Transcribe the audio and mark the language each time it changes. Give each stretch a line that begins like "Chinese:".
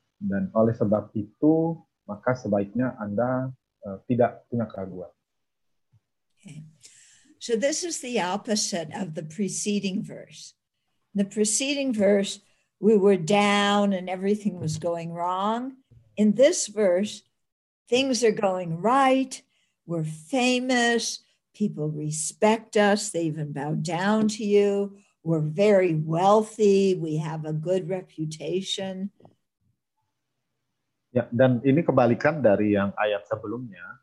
Indonesian: Dan oleh sebab itu maka sebaiknya Anda tidak punya keraguan.
English: Okay. So this is the opposite of the preceding verse. The preceding verse, we were down and everything was going wrong. In this verse, things are going right, we're famous, people respect us, they even bow down to you, we're very wealthy, we have a good reputation.
Indonesian: Ya, dan ini kebalikan dari yang ayat sebelumnya.